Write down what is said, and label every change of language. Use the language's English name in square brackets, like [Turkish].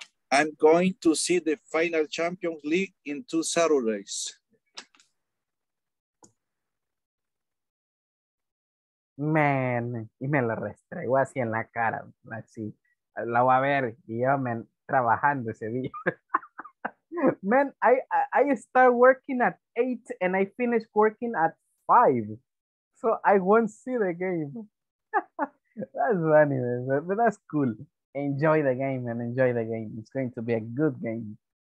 [English] I'm going to see the final Champions League in 2 Saturdays. [Spanish] Man, y me la restrego así en la cara, así. La voy a ver, y yo, man, trabajando ese día. [English] Man, I start working at 8 and I finish working at 5. So I won't see the game. That's funny, man. But that's cool. Enjoy the game, man. Enjoy the game. It's going to be a good game.